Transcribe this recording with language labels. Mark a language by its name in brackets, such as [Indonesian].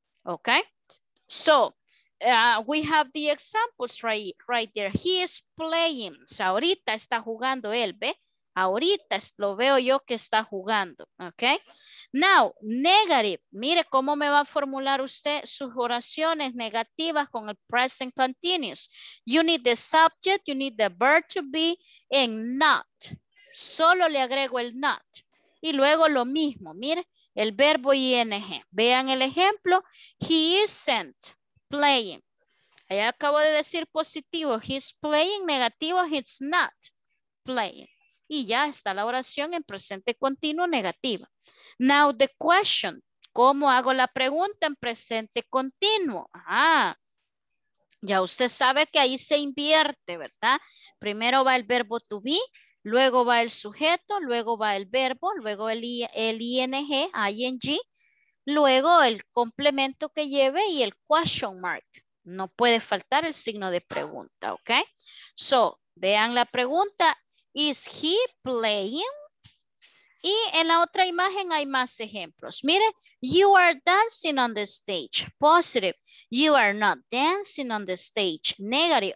[English] ¿Ok? So, we have the examples right there. He is playing. [Spanish] O sea, ahorita está jugando él, ¿ve? Ahorita lo veo yo que está jugando. ¿Ok? [English] Now, negative. [Spanish] Mire cómo me va a formular usted sus oraciones negativas con el present continuous. [English] You need the subject, you need the verb to be, and not. [Spanish] Solo le agrego el not. Y luego lo mismo, mire, el verbo ing. Vean el ejemplo. [English] He isn't playing. [Spanish] Allá acabo de decir positivo. [English] He's playing, [Spanish] negativo. [English] He's not playing. [Spanish] Y ya está la oración en presente continuo negativa. [English] Now the question. [Spanish] ¿Cómo hago la pregunta en presente continuo? Ah, ya usted sabe que ahí se invierte, ¿verdad? Primero va el verbo to be. Luego va el sujeto, luego va el verbo, luego el ing, ing, luego el complemento que lleve y el question mark. No puede faltar el signo de pregunta, ¿ok? So, vean la pregunta, [English] is he playing? [Spanish] Y en la otra imagen hay más ejemplos. Mire, [English] you are dancing on the stage, positive. You are not dancing on the stage, negative.